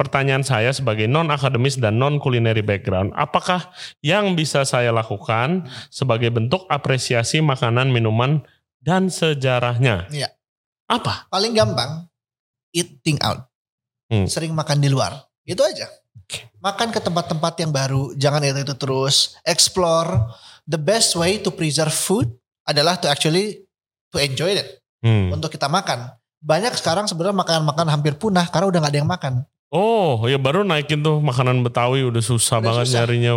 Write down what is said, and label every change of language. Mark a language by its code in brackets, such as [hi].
[id] Pertanyaan saya sebagai non-akademis dan [en] non-culinary background, [id] apakah yang bisa saya lakukan sebagai bentuk apresiasi makanan, minuman, dan sejarahnya? Iya. [en] Yeah. [id] Apa? Paling gampang, [en] eating out. [id] Hmm. Sering makan di luar. Itu aja. Makan ke tempat-tempat yang baru, jangan itu-itu terus. [en] Explore. The best way to preserve food [id] adalah [en] to actually to enjoy it. Hmm. [id] Untuk kita makan. Banyak sekarang sebenarnya makanan-makanan hampir punah karena udah gak ada yang makan. Oh, ya baru naikin tuh makanan Betawi udah banget susah. Nyarinya.